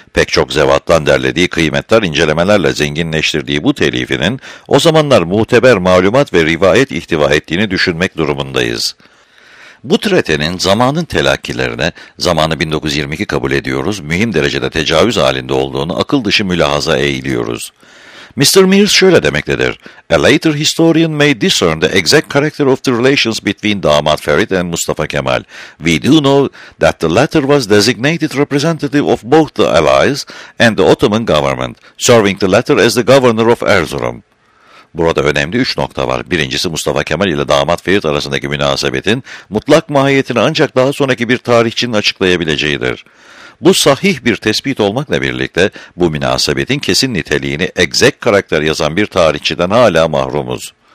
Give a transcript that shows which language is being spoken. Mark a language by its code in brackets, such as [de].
[tr] Pek çok zevattan derlediği kıymetler incelemelerle zenginleştirdiği bu telifinin o zamanlar muteber malumat ve rivayet ihtiva ettiğini düşünmek durumundayız. Bu tretenin zamanın telakkilerine, zamanı 1922 kabul ediyoruz, mühim derecede tecavüz halinde olduğunu akıl dışı mülahaza eğiliyoruz. [en] Mr. Mears [tr] şöyle demektedir: [en] "A later historian may discern the exact character of the relations between Damat Ferit and Mustafa Kemal. We do know that the latter was designated representative of both the Allies and the Ottoman government, serving the latter as the governor of Erzurum." [tr] Burada önemli üç nokta var. Birincisi, Mustafa Kemal ile Damat Ferit arasındaki münasebetin mutlak mahiyetini ancak daha sonraki bir tarihçinin açıklayabileceğidir. Bu sahih bir tespit olmakla birlikte bu münasebetin kesin niteliğini exact karakter yazan bir tarihçiden hala mahrumuz.